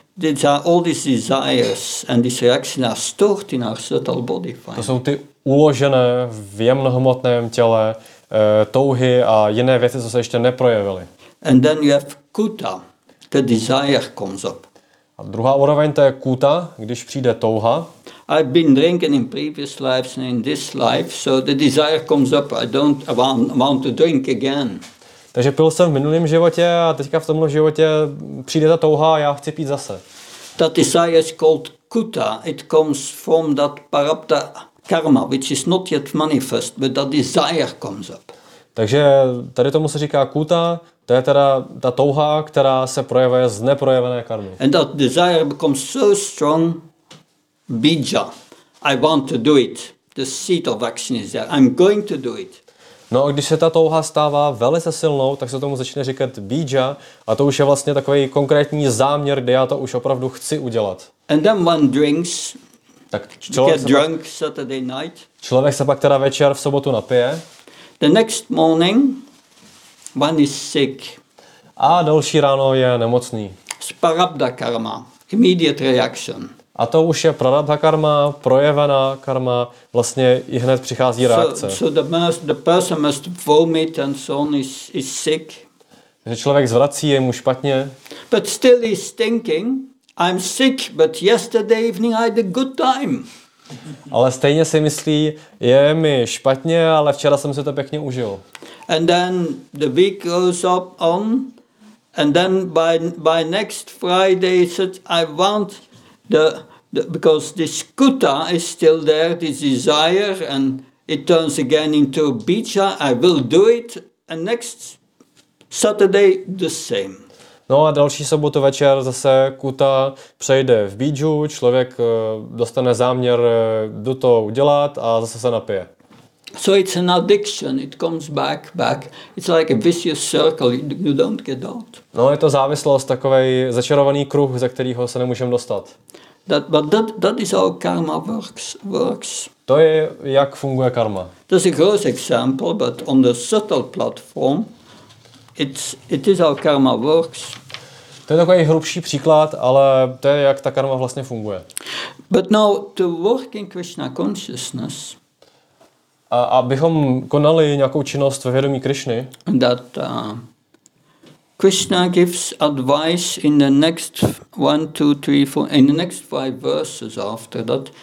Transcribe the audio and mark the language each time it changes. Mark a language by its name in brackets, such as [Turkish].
[English] These are all these desires and these reactions are stored in our subtle body. [Czech] To jsou ty uložené v jemnohmotném těle touhy a jiné věci, co se ještě neprojevily. [English] And then you have kuta, the desire comes up. [Czech] A druhá úroveň to je kuta, když přijde touha. [English] I've been drinking in previous lives and in this life, so the desire comes up, I want to drink again. [Czech] Takže pil jsem v minulém životě a teďka v tomhle životě přijde ta touha a já chci pít zase. [English] That desire is called kuta. It comes from that parapta karma, which is not yet manifest, but that desire comes up. [Czech] Takže tady tomu se říká kuta. To je teda ta touha, která se projevuje z neprojevené karmy. [English] And that desire becomes so strong, bija. I want to do it. The seed of action is there. I'm going to do it. [Czech] No a když se ta touha stává velice silnou, tak se tomu začne říkat bija. A to už je vlastně takový konkrétní záměr, kde já to už opravdu chci udělat. [English] And then one drinks, tak get drunk Saturday night. [Czech] Člověk se pak teda večer v sobotu napije. [English] The next morning, one is sick. [Czech] A další ráno je nemocný. [English] Prarabdha karma, immediate reaction. [Czech] A to už je prarabdha karma, projevená karma, vlastně i hned přichází reakce. [English] So the person must vomit and so on is sick. [Czech] Že člověk zvrací, je mu špatně. [English] But still he's thinking, I'm sick, but yesterday evening I had a good time. [Czech] Ale stejně si myslí, je mi špatně, ale včera jsem si to pěkně užil. [English] And then the week goes up on, and then by next Friday, such I want the because this kuta is still there, this desire, and it turns again into bija. I will do it, and next Saturday the same. [Czech] No a další sobotu večer zase kuta přejde v biju. Člověk dostane záměr do toho udělat a zase se napije. [English] So it's an addiction, it comes back. It's like a vicious circle, you don't get out. [Czech] No, je to závislost, takovej začarovaný kruh, ze kterého se nemůžeme dostat. [English] But that is how karma works. [Czech] To je, jak funguje karma. [English] That's a gross example, but on the subtle platform, it is how karma works. [Czech] To je takový hrubší příklad, ale to je, jak ta karma vlastně funguje. [English] But now to work in Krishna consciousness. [Czech] A abychom konali nějakou činnost ve vědomí Krišny. [English] That Krishna gives advice in the next 1, 2, 3, 4 in the next 5 verses after that.